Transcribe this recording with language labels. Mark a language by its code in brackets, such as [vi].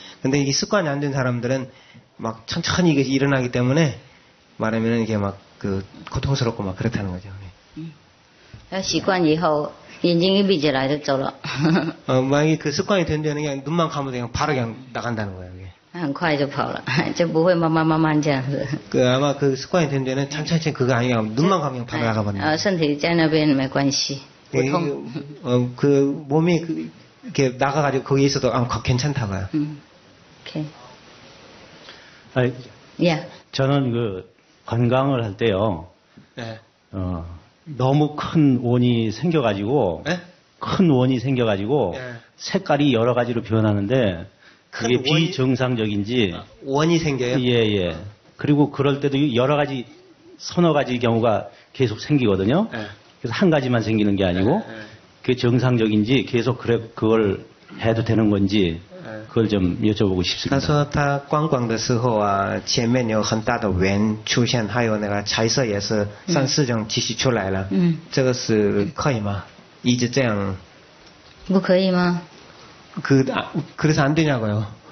[ko] 근데 이게 습관이 안 된 사람들은 막 천천히 이게 일어나기 때문에 말하면은 이게 막 그 고통스럽고 막 그렇다는 거죠. [zh] 习惯以后眼睛一闭起来就走了. [ko] 만약에 그 습관이 된다는 게 눈만 감으면 그냥 바로 그냥 나간다는 거예요 이게. [zh] 很快就跑了，就不会慢慢慢慢这样子。그 [ko] 아마 그 습관이 된 데는 천천히 그거 아니야. 눈만 감으면 바로 나가버려. [zh] 身体在那边没关系。 [ko] 그 몸이 이렇게 나가가지고 거기 있어도 아마 괜찮다 봐요. [en] 오케이. [ko] 아니, [en] yeah. [ko] 저는 그 관광을 할 때요. 네. 너무 큰 원이 생겨가지고. 네? 큰 원이 생겨가지고. 네. 색깔이 여러 가지로 변하는데 그게 원이, 비정상적인지. 원이 생겨요? 예, 예. 그리고 그럴 때도 여러 가지, 서너 가지 경우가 계속 생기거든요. 네. 그래서 한 가지만 생기는 게 아니고 네, 네. 그게 정상적인지 계속 그래 그걸 해도 되는 건지 그걸 좀 여쭤보고 싶습니다. [zh] 그래서 다 관광的时候啊, 前面有很大的圆出现，还有那个彩色也是三四种继续出来了。嗯，这个是可以吗？一直这样，不可以吗？ [ko] 그래서 안 되냐고요?